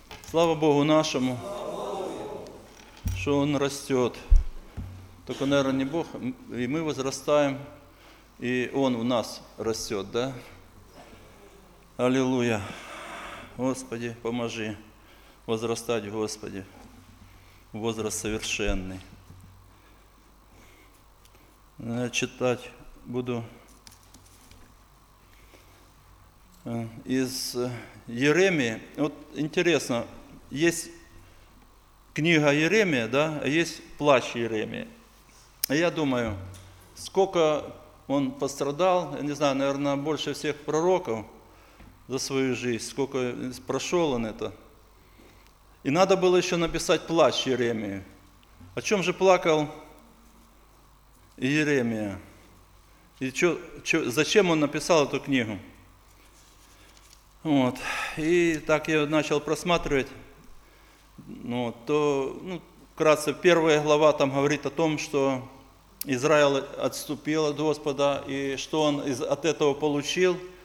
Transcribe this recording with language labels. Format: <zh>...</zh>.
<uk>Слава Богу нашому, що Він росте. Тільки, наверное, не Бог, і ми возрастаємо, і Він у нас росте, да? Аллилуйя.</uk> <ru>Господи, поможи возрастати, Господи, возраст совершенный.</ru> <uk>Я читати буду із Єремії. От інтересно, є книга Єремія, да? А є плач Єремії. А я думаю, скільки він пострадав, я не знаю, наверное, більше всіх пророків</uk> <ru>за свою жизнь, сколько прошел он это. И надо было еще написать плач Иеремии. О чем же плакал Иеремия? И зачем он написал эту книгу? Вот. И так я начал просматривать. Ну, то, ну, вкратце, первая глава там говорит о том, что Израиль отступил от Господа, и что он от этого получил.</ru>